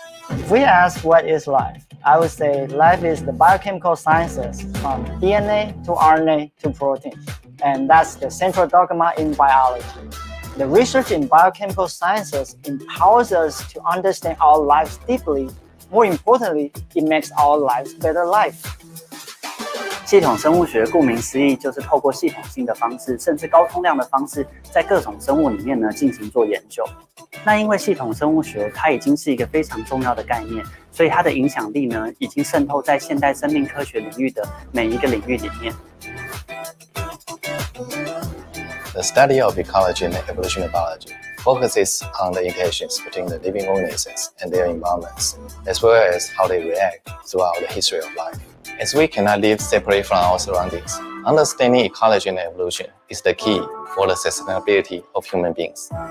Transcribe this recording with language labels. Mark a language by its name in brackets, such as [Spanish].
[English] If we ask what is life, I would say life is the biochemical sciences from DNA to RNA to protein. And that's the central dogma in biology. The research in biochemical sciences empowers us to understand our lives deeply. More importantly, it makes our lives better life. [Chinese] 系统生物学顾名思义就是透过系统性的方式，甚至高通量的方式，在各种生物里面呢进行做研究。那因为系统生物学它已经是一个非常重要的概念，所以它的影响力呢已经渗透在现代生命科学领域的每一个领域里面。 [English] The study of ecology and evolutionary biology focuses on the interactions between the living organisms and their environments, as well as how they react throughout the history of life. As we cannot live separately from our surroundings, understanding ecology and evolution is the key for the sustainability of human beings.